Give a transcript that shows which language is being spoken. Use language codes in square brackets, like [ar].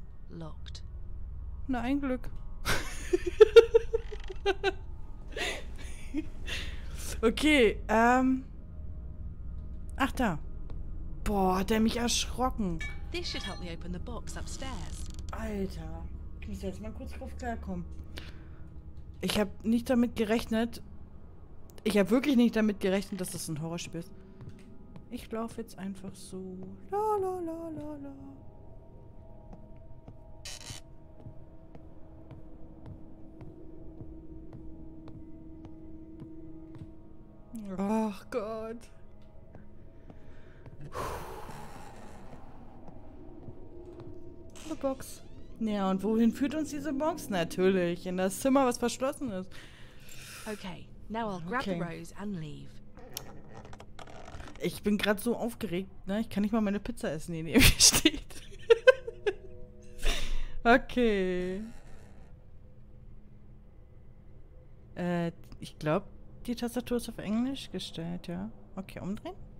[en] Locked. [de] Na, ein Glück. Okay. Ach da. Boah, hat er mich erschrocken. [en] This should help me open the box upstairs. [de] Alter. Ich muss jetzt mal kurz drauf klarkommen. Ich habe nicht damit gerechnet. Ich habe wirklich nicht damit gerechnet, dass das ein Horrorspiel ist. Ich laufe jetzt einfach so. La la la la la. Ach Gott. Puh. Eine Box. Ja, und wohin führt uns diese Box? Natürlich in das Zimmer, was verschlossen ist. [en] Okay, now I'll grab the rose and leave. [de] Ich bin gerade so aufgeregt, ne? Ich kann nicht mal meine Pizza essen, die neben mir steht. Okay. Ich glaube, die Tastatur ist auf Englisch gestellt, ja. Okay, umdrehen.